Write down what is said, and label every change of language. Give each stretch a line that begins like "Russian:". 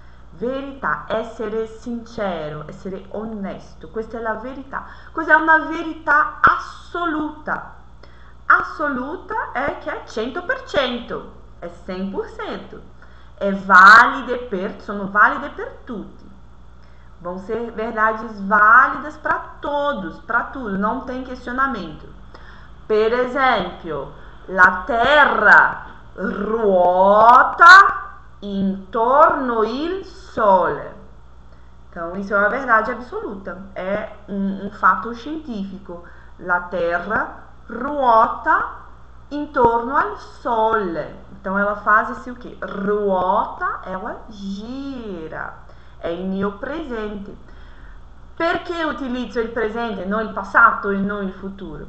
Italian: Verità, essere sincero, essere onesto, questa è la verità. Cos'è una verità assoluta? Assoluta è che è 100%, è 100%. È valide per, sono valide per tutti.
Portuguese: Vão ser verdades válidas para todos, para tudo, não tem questionamento. Por exemplo,
Italian: la terra ruota intorno il sole.
Portuguese: Então, isso é uma verdade absoluta, é um fato científico.
Italian: La terra ruota intorno al sole.
Portuguese: Então, ela faz-se o quê? Ruota, ela gira.
Italian: È il mio presente. Perché utilizzo il presente, non il passato e non il futuro?